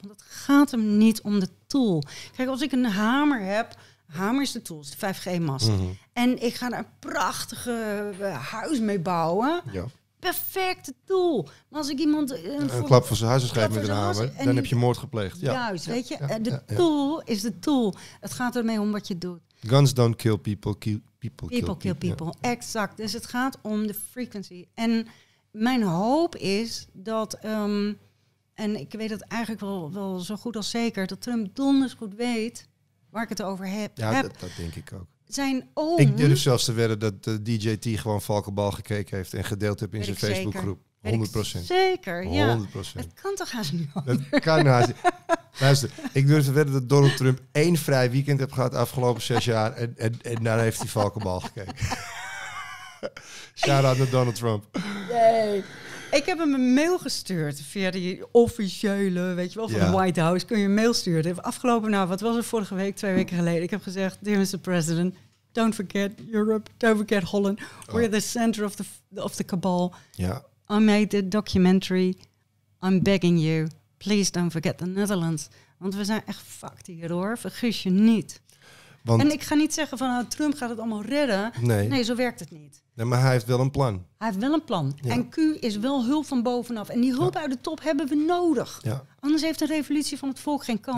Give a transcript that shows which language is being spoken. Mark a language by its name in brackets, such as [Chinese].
[Dutch] Want het gaat hem niet om de tool. Kijk, als ik een hamer heb, hamer is de tool, is de 5G-mast. Mm-hmm. En ik ga daar een prachtige huis mee bouwen. Ja. Perfecte tool. Maar als ik iemand... Een klap van zijn huis geeft met een hamer, dan heb je moord gepleegd. Ja. Juist, ja, weet je. Ja, de tool is de tool. Het gaat ermee om wat je doet. [English] Guns don't kill people, people kill people. [Dutch] Ja. Exact. Dus het gaat om de frequency. En mijn hoop is dat... en ik weet het eigenlijk wel zo goed als zeker... dat Trump donders goed weet waar ik het over heb. Ja, dat denk ik ook. Zijn oom... Ik durf zelfs te wedden dat DJT gewoon Valkenbal gekeken heeft... en gedeeld heeft in zijn Facebookgroep. 100%. Zeker, ja. 100%. Het kan toch haast niet anders. Het kan haast niet. Luister, ik durf te wedden dat Donald Trump één vrij weekend heeft gehad... de afgelopen 6 jaar en daar heeft hij Valkenbal gekeken. Shout-out naar Donald Trump. Yay. Ik heb hem een mail gestuurd via die officiële, weet je wel, van de White House. Kun je een mail sturen? Afgelopen, nou, wat was er vorige week, 2 weken geleden? Ik heb gezegd, [English] dear Mr. President, don't forget Europe, don't forget Holland. We're the center of the cabal. [Dutch] Ja. [English] I made the documentary, I'm begging you, please don't forget the Netherlands. [Dutch] Want we zijn echt fucked hier hoor, vergis je niet. Want... En ik ga niet zeggen van, nou, Trump gaat het allemaal redden. Nee, zo werkt het niet. Nee, maar hij heeft wel een plan. Hij heeft wel een plan. Ja. En Q is wel hulp van bovenaf. En die hulp uit de top hebben we nodig. Ja. Anders heeft de revolutie van het volk geen kans.